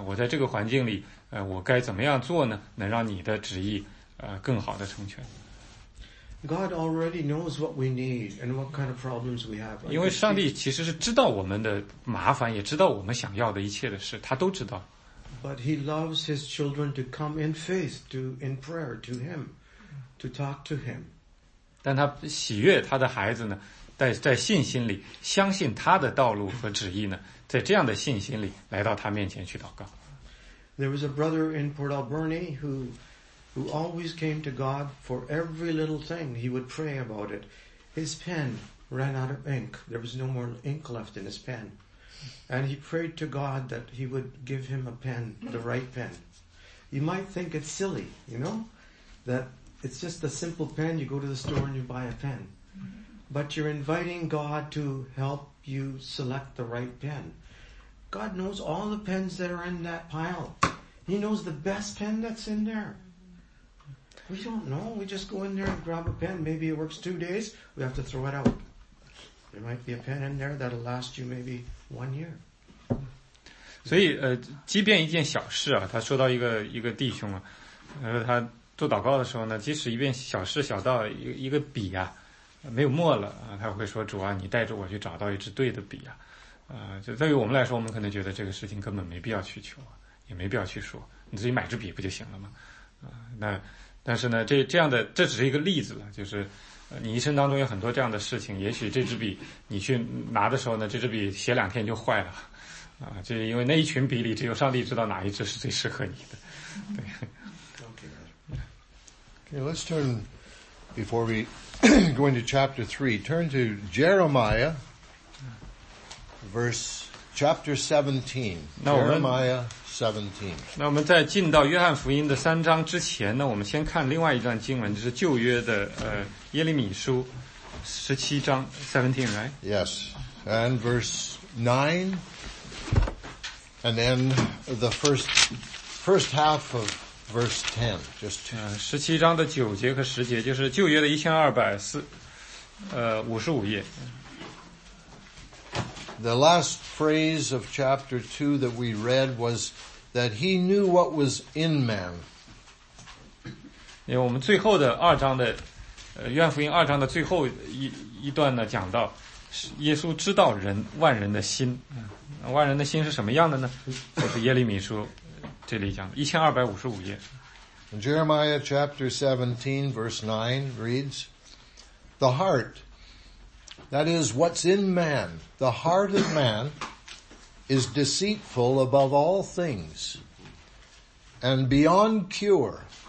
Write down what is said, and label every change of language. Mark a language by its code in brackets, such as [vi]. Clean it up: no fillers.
[zh] 我在这个环境里，我该怎么样做呢？能让你的旨意更好的成全。 [en] God already knows what we need and what kind of problems we have. [zh] 因为上帝其实是知道我们的麻烦，也知道我们想要的一切的事，他都知道。 [en] But He loves His children to come in faith, to in prayer to Him, to talk to Him. [zh] 但他喜悦他的孩子呢，在信心里相信他的道路和旨意呢，在这样的信心里来到他面前去祷告。 [en] There was a brother in Port Alberni who always came to God for every little thing. He would pray about it. His pen ran out of ink. There was no more ink left in his pen. And he prayed to God that He would give him a pen, the right pen. You might think it's silly, you know, that it's just a simple pen. You go to the store and you buy a pen. But you're inviting God to help you select the right pen. God knows all the pens that are in that pile. He knows the best pen that's in there. We don't know. We just go in there and grab a pen. Maybe it works 2 days. We have to throw it out. There might be a pen in there that'll last you maybe 1 year. [zh] 所以即便一件小事啊，他说到一个弟兄啊，他做祷告的时候呢，即使一件小事小到一个笔啊，没有墨了啊，他会说主啊，你带着我去找到一支对的笔啊。就对于我们来说，我们可能觉得这个事情根本没必要去求，也没必要去说，你自己买支笔不就行了吗？那。但是呢，这样的只是一个例子了，就是，你一生当中有很多这样的事情。也许这支笔你去拿的时候呢，这支笔写两天就坏了，啊，就是因为那一群笔里只有上帝知道哪一支是最适合你的。对。 [en] Okay, let's turn before we go into chapter 3. Turn to Jeremiah, chapter 17. Jeremiah. 17. [zh] 那我们在进到约翰福音的三章之前呢，我们先看另外一段经文，就是旧约的耶利米书17章 [en] 17, right? Yes, and verse 9, and then the first half of verse 10, just [zh] 17章的九节和十节，就是旧约的1255页。 [en] The last phrase of chapter 2 that we read was that he knew what was in man. [zh] 因为我们最后的二章的约翰福音二章的最后一段呢，讲到耶稣知道人万人的心，万人的心是什么样的呢？就是耶利米书这里讲的1255页。 [en] Jeremiah chapter 17 verse 9 reads, the heart,That is, what's in man, the heart of man, is deceitful above all things, and beyond cure.